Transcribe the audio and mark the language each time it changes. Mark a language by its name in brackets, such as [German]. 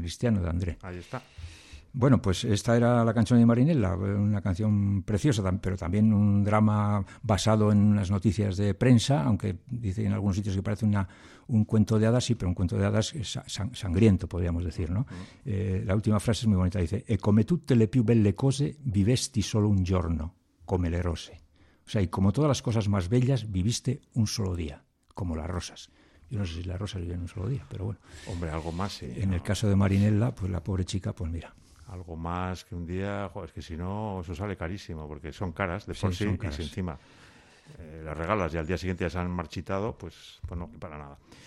[Spanish] Cristiano De André. Ahí está. Bueno, pues esta era la canción de Marinella, una canción preciosa, pero también un drama basado en unas noticias de prensa, aunque dice en algunos sitios que parece un cuento de hadas, sí, pero un cuento de hadas sangriento, podríamos decir, ¿no? La última frase es muy bonita, dice: [Italian] «E come tutte le più belle cose, vivesti solo un giorno, come le rose». [Spanish] O sea, y como todas las cosas más bellas, viviste un solo día, como las rosas. Yo no sé si la rosa vive en un solo día, pero bueno. Hombre, algo más, sí. En el caso de Marinella, pues la pobre chica, pues mira. Algo más que un día, joder, es que si no, eso sale carísimo, porque son caras de por sí, son caras. Y si encima las regalas y al día siguiente ya se han marchitado, pues no, para nada.